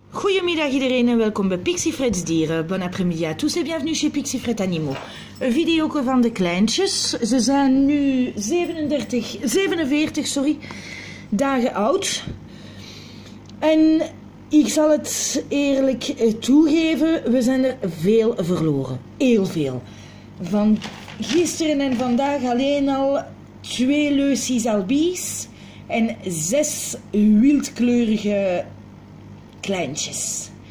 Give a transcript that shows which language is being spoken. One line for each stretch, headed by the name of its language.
Dutch: Goedemiddag iedereen en welkom bij Pixifreds Dieren.
French: Bon après-midi à tous et bienvenue chez Pixifred Animaux.
Dutch: Een video van de kleintjes. Ze zijn nu 47 dagen oud. En ik zal het eerlijk toegeven, we zijn er veel verloren. Heel veel. Van gisteren en vandaag alleen al 2 Leucis albis en 6 wildkleurige kleintjes.